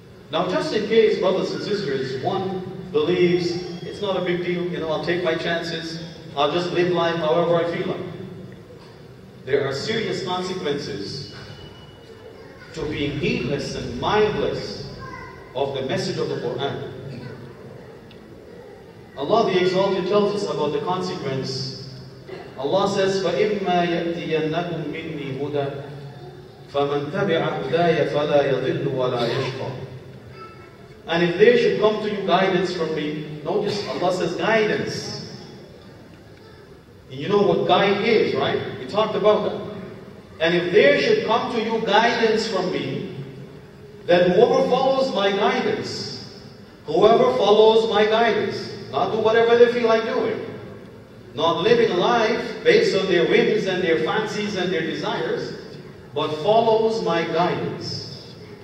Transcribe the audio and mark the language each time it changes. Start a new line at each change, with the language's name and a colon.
English: Now, just in case, brothers and sisters, one believes it's not a big deal, you know, I'll take my chances, I'll just live life however I feel like. There are serious consequences to being heedless and mindless of the message of the Quran. Allah the Exalted tells us about the consequence. Allah says,
Arabic: فَإِمَّا يَأْتِيَنَّكُمْ مِنِّي هُدَى فَمَنْ تَبِعَ هُدَايَ فَلَا يَضِلُّ وَلَا يَشْقَى.
English: And if there should come to you guidance from me, notice Allah says guidance. And you know what guide is, right? We talked about that. And if there should come to you guidance from me, then whoever follows my guidance, whoever follows my guidance, not do whatever they feel like doing, not living life based on their whims and their fancies and their desires, but follows my guidance.